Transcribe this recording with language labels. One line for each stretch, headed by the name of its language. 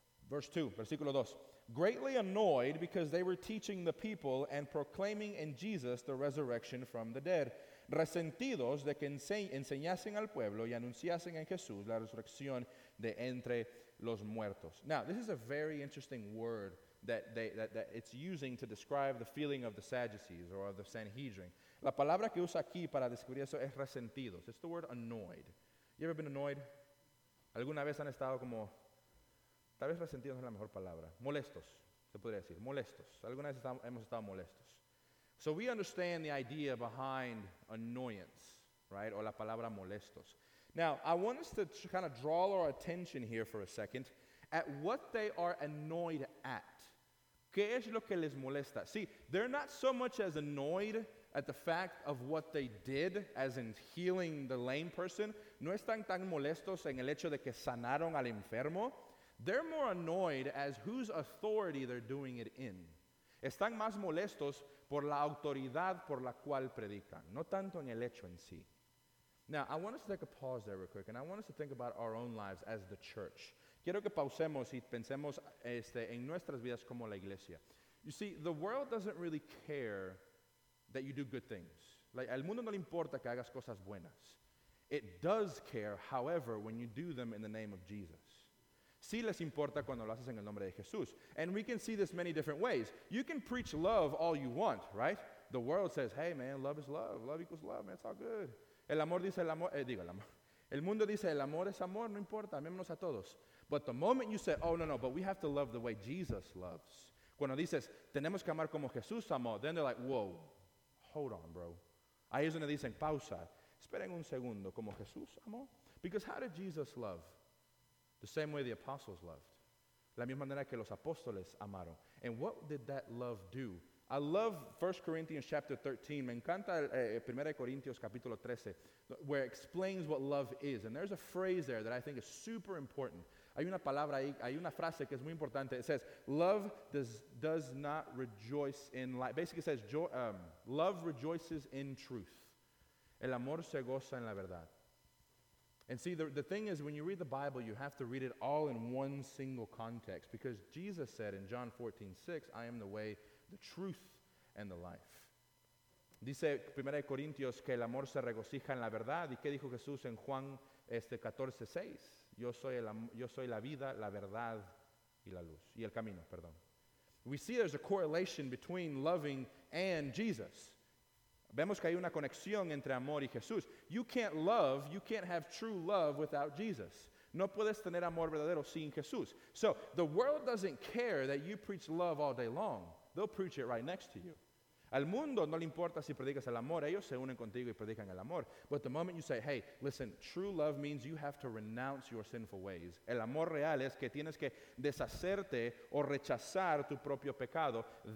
English: Verse 2,
Spanish: versículo 2.
English: Greatly annoyed because they were teaching the people and proclaiming in Jesus the resurrection from the dead.
Spanish: Resentidos de que enseñasen al pueblo y anunciasen en Jesús la resurrección de entre los muertos.
English: Now, this is a very interesting word that it's using to describe the feeling of the Sadducees or of the Sanhedrin.
Spanish: La palabra que usa aquí para describir eso es resentidos.
English: It's the word annoyed. You ever been annoyed?
Spanish: ¿Alguna vez han estado como... Tal vez resentidos es la mejor palabra. Molestos, se podría decir. Molestos. Alguna vez hemos estado molestos.
English: So we understand the idea behind annoyance, right? Or
Spanish: la palabra molestos.
English: Now, I want us to kind of draw our attention here for a second at what they are annoyed at.
Spanish: ¿Qué es lo que les molesta?
English: See, they're not so much as annoyed at the fact of what they did, as in healing the lame person.
Spanish: No están tan molestos en el hecho de que sanaron al enfermo.
English: They're more annoyed as whose authority they're doing it in.
Spanish: Están más molestos por la autoridad por la cual predican, no tanto en el hecho en sí.
English: Now, I want us to take a pause there real quick, and I want us to think about our own lives as the church.
Spanish: Quiero que pausemos y pensemos en nuestras vidas como la iglesia.
English: You see, the world doesn't really care that you do good things.
Spanish: Like, al mundo no le importa que hagas cosas buenas.
English: It does care, however, when you do them in the name of Jesus.
Spanish: Sí les importa cuando lo haces en el nombre de Jesús.
English: And we can see this many different ways. You can preach love all you want, right? The world says, hey, man, love is love. Love equals love, man, it's all good.
Spanish: El amor dice el amor, digo el amor. El mundo dice el amor es amor, no importa, amémonos a todos.
English: But the moment you say, oh, no, but we have to love the way Jesus loves.
Spanish: Cuando dices, tenemos que amar como Jesús amó,
English: then they're like, whoa, hold on, bro.
Spanish: Ahí es donde dicen, pausa. Esperen un segundo, como Jesús amó.
English: Because how did Jesus love? The same way the apostles loved.
Spanish: La misma manera que los apóstoles amaron.
English: And what did that love do? I love 1 Corinthians chapter 13.
Spanish: Me encanta 1 Corinthians capítulo 13,
English: where it explains what love is. And there's a phrase there that I think is super important.
Spanish: Hay una palabra ahí, hay una frase que es muy importante.
English: It says, love does not rejoice in lies. Basically it says, love rejoices in truth.
Spanish: El amor se goza en la verdad.
English: And see, the thing is, when you read the Bible, you have to read it all in one single context, because Jesus said in John 14:6, I am the way, the truth, and the life.
Spanish: Dice 1 Corintios que el amor se regocija en la verdad. ¿Y qué dijo Jesús en Juan 14:6? Yo soy la vida, la verdad, y la luz. Y el camino, perdón.
English: We see there's a correlation between loving and Jesus.
Spanish: Vemos que hay una conexión entre amor y Jesús.
English: You can't love, you can't have true love without Jesus.
Spanish: No puedes tener amor verdadero sin Jesús.
English: So, the world doesn't care that you preach love all day long. They'll preach it right next to you.
Spanish: Al mundo no le importa si predicas el amor. Ellos se unen contigo y predican el amor.
English: But the moment you say, hey, listen, true love means you have to renounce your sinful ways.
Spanish: El amor real es que tienes que deshacerte o rechazar tu propio pecado.